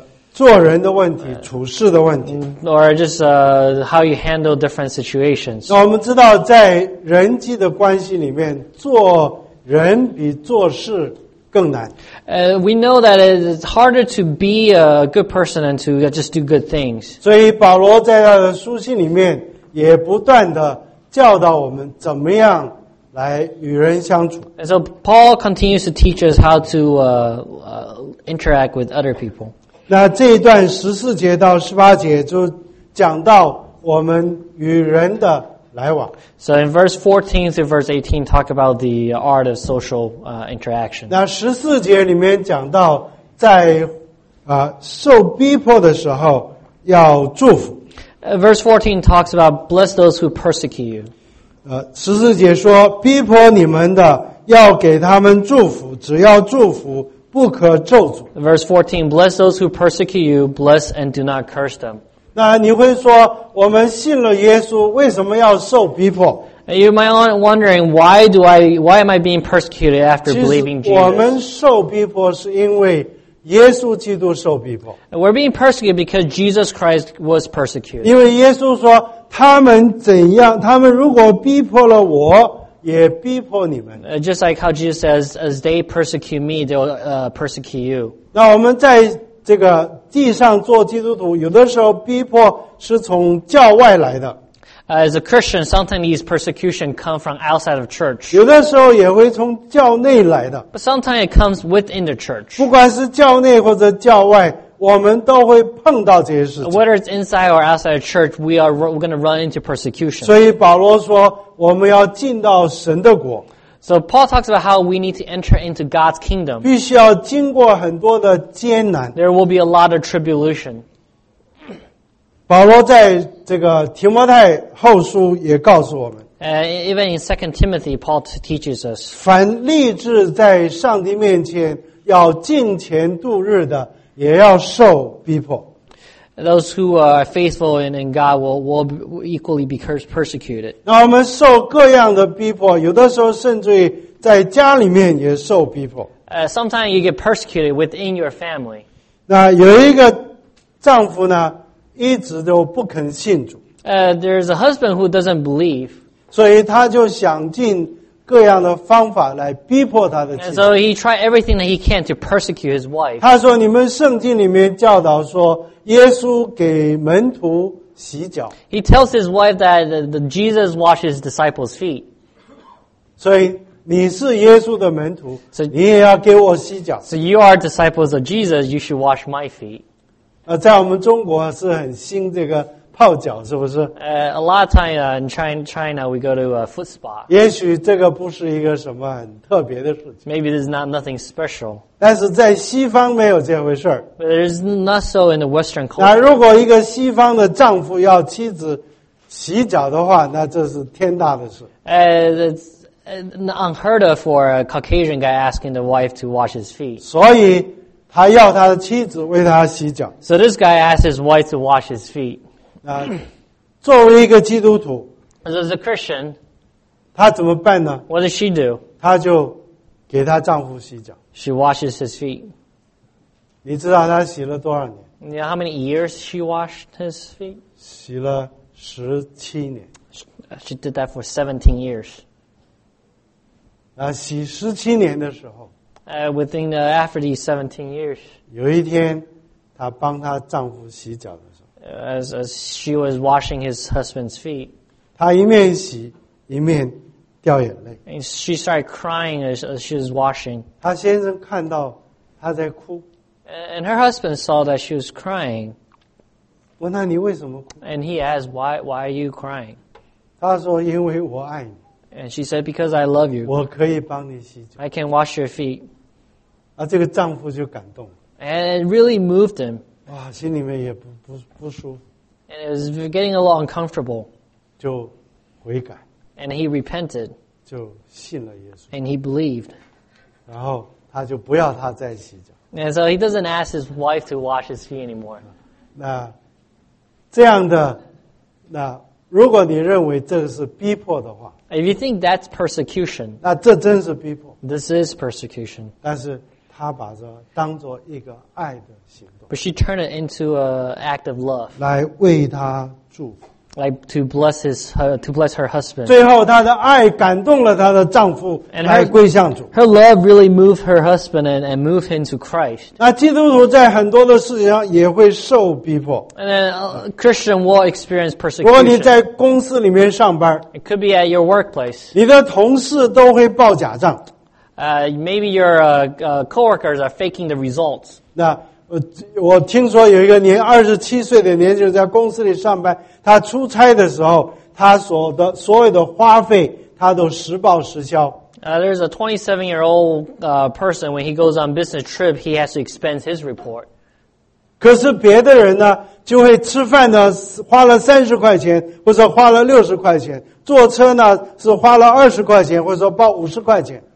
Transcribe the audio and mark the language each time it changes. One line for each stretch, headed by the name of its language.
Chinese: 做人的问题，处事的问题。
English: Or just how you handle different situations.
Chinese: 那我们知道在人际的关系里面，做人比做事更难。
English: We know that it's harder to be a good person than to just do good things.
Chinese: 所以保罗在他的书信里面也不断地教导我们怎么样来与人相处。
English: And so Paul continues to teach us how to interact with other people.
Chinese: 那这一段十四节到十八节就讲到我们与人的来往。
English: So in verse 14 through verse 18, talk about the art of social interaction.
Chinese: 那十四节里面讲到在受逼迫的时候要祝福。
English: Verse 14 talks about bless those who persecute you.
Chinese: 十四节说逼迫你们的要给他们祝福，只要祝福，不可咒诅。
English: Verse 14, bless those who persecute you, bless and do not curse them.
Chinese: 那你会说我们信了耶稣为什么要受逼迫？
English: You might be wondering why am I being persecuted after believing Jesus?
Chinese: 我们受逼迫是因为耶稣基督受逼迫。
English: We're being persecuted because Jesus Christ was persecuted.
Chinese: 因为耶稣说他们怎样，他们如果逼迫了我也逼迫你们。
English: Just like how Jesus says, as they persecute me, they'll persecute you.
Chinese: 那我们在这个地上做基督徒，有的时候逼迫是从教外来的。
English: As a Christian, sometimes these persecution come from outside of church.
Chinese: 有的时候也会从教内来的。
English: But sometimes it comes within the church.
Chinese: 不管是教内或者教外，我们都会碰到这些事情。
English: Whether it's inside or outside of church, we're going to run into persecution.
Chinese: 所以保罗说我们要进到神的国。
English: So Paul talks about how we need to enter into God's kingdom.
Chinese: 必须要经过很多的艰难。
English: There will be a lot of tribulation.
Chinese: 保罗在这个提摩太后书也告诉我们。
English: Even in 2 Timothy, Paul teaches us.
Chinese: 凡立志在上帝面前要敬虔度日的也要受逼迫。
English: Those who are faithful in God will equally be persecuted.
Chinese: 那我们受各样的逼迫，有的时候甚至于在家里面也受逼迫。
English: Sometimes you get persecuted within your family.
Chinese: 那有一个丈夫呢，一直都不肯信主。
English: There's a husband who doesn't believe.
Chinese: 所以他就想尽各样的方法来逼迫他的妻子。
English: And so he tried everything that he can to persecute his wife.
Chinese: 他说你们圣经里面教导说耶稣给门徒洗脚。
English: He tells his wife that Jesus washes disciples' feet.
Chinese: 所以你是耶稣的门徒，你也要给我洗脚。
English: So you are disciples of Jesus, you should wash my feet.
Chinese: 在我们中国是很兴这个泡脚是不是？
English: A lot of time in China, we go to a foot spa.
Chinese: 也许这个不是一个什么很特别的事情。
English: Maybe this is nothing special.
Chinese: 但是在西方没有这回事儿。
English: But it is not so in the Western culture.
Chinese: 那如果一个西方的丈夫要妻子洗脚的话，那这是天大的事。
English: It's unheard of for a Caucasian guy asking the wife to wash his feet.
Chinese: 所以他要他的妻子为他洗脚。
English: So this guy asked his wife to wash his feet.
Chinese: 作为一个基督徒
English: as a Christian,
Chinese: 她怎么办呢？
English: What does she do?
Chinese: 她就给她丈夫洗脚。
English: She washes his feet.
Chinese: 你知道她洗了多少年？
English: You know how many years she washed his feet?
Chinese: 洗了十七年。
English: She did that for 17 years.
Chinese: 洗十七年的时候
English: after these 17 years,
Chinese: 有一天她帮她丈夫洗脚的时候
English: as she was washing his husband's feet.
Chinese: 她一面洗一面掉眼泪。
English: And she started crying as she was washing.
Chinese: 她先生看到她在哭。
English: And her husband saw that she was crying.
Chinese: 问她你为什么哭？
English: And he asked, why are you crying?
Chinese: 她说因为我爱你。
English: And she said, because I love you.
Chinese: 我可以帮你洗脚。
English: I can wash your feet.
Chinese: 啊，这个丈夫就感动。
English: And it really moved him.
Chinese: 哇，心里面也不舒服。
English: And it was getting a little uncomfortable.
Chinese: 就悔改。
English: And he repented.
Chinese: 就信了耶稣。
English: And he believed.
Chinese: 然后他就不要他再洗脚。
English: And so he doesn't ask his wife to wash his feet anymore.
Chinese: 那这样的，那如果你认为这个是逼迫的话，
English: if you think that's persecution,
Chinese: 那这真是逼迫。
English: This is persecution.
Chinese: 但是他把这当作一个爱的行动。
English: But she turned it into an act of love.
Chinese: 来为他祝福。
English: Like to bless her husband.
Chinese: 最后她的爱感动了她的丈夫来归向主。
English: Her love really moved her husband and moved him to Christ.
Chinese: 那基督徒在很多的事情上也会受逼迫。
English: And then, Christian will experience persecution.
Chinese: 如果你在公司里面上班，
English: it could be at your workplace.
Chinese: 你的同事都会报假账。
English: Maybe your coworkers are faking the results.
Chinese: 那我听说有一个年27岁的年轻人在公司里上班，他出差的时候他所有的花费他都实报实销。
English: There's a 27-year-old person, when he goes on business trip, he has to expense his report.
Chinese: 可是别的人呢就会吃饭呢花了30块钱或者花了60块钱，坐车呢是花了20块钱或者说报50块钱。